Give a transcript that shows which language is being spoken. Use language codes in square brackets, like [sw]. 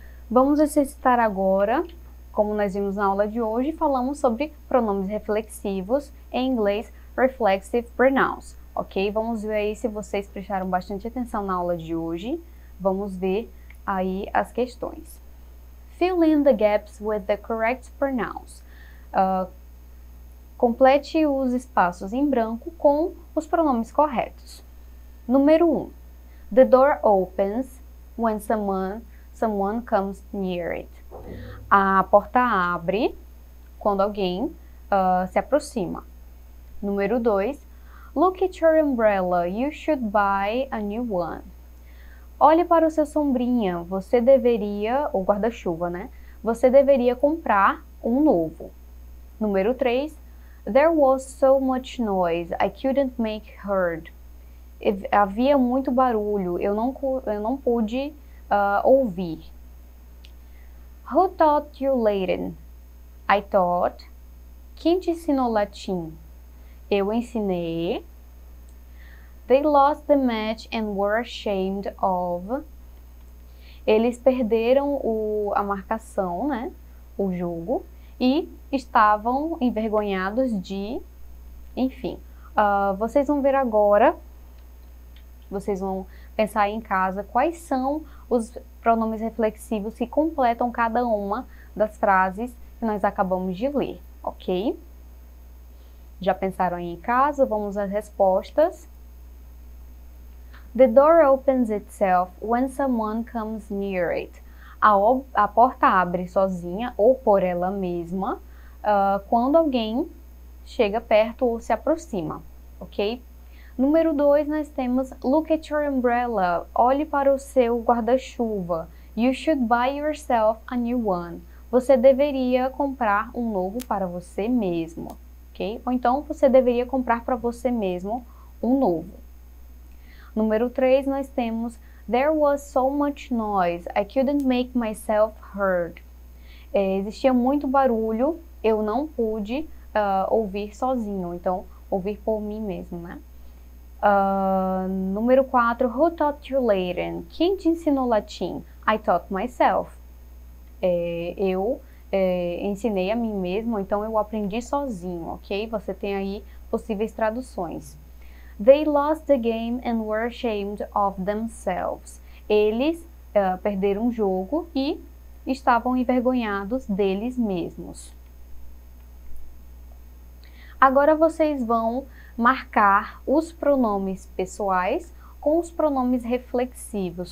[pt] Vamos exercitar agora, como nós vimos na aula de hoje, falamos sobre pronomes reflexivos, em inglês, reflexive pronouns, ok? Vamos ver aí se vocês prestaram bastante atenção na aula de hoje. Vamos ver aí as questões. [en] Fill in the gaps with the correct pronouns. [pt] Complete os espaços em branco com os pronomes corretos. Número 1. [en] The door opens when someone comes near it. [pt] A porta abre quando alguém se aproxima. Número 2. [en] Look at your umbrella. You should buy a new one. [pt] Olhe para o seu sombrinha, você deveria, ou guarda-chuva, né? Você deveria comprar um novo. Número 3. [en] There was so much noise, I couldn't make heard. [pt] Havia muito barulho, eu não pude ouvir. [en] Who taught you Latin? I taught. Quem te ensinou latim? [pt] Eu ensinei. [en] They lost the match and were ashamed of. [pt] Eles perderam a marcação, né? O jogo. E estavam envergonhados de. Enfim. Vocês vão ver agora. Vocês vão pensar aí em casa quais são os pronomes reflexivos que completam cada uma das frases que nós acabamos de ler, ok? Já pensaram aí em casa? Vamos às respostas. [en] The door opens itself when someone comes near it. [pt] A porta abre sozinha ou por ela mesma quando alguém chega perto ou se aproxima, ok? Número 2, nós temos look at your umbrella. Olhe para o seu guarda-chuva. You should buy yourself a new one. Você deveria comprar um novo para você mesmo, ok? Ou então, você deveria comprar para você mesmo um novo. [en] Número 3, nós temos There was so much noise, I couldn't make myself heard. [pt] Existia muito barulho, eu não pude ouvir sozinho, então ouvir por mim mesmo, né? Número 4, who taught you Latin? Quem te ensinou latim? I taught myself. Eu ensinei a mim mesmo, então eu aprendi sozinho, ok? Você tem aí possíveis traduções. [en] They lost the game and were ashamed of themselves. [pt] Eles perderam o jogo e estavam envergonhados deles mesmos. Agora vocês vão marcar os pronomes pessoais com os pronomes reflexivos.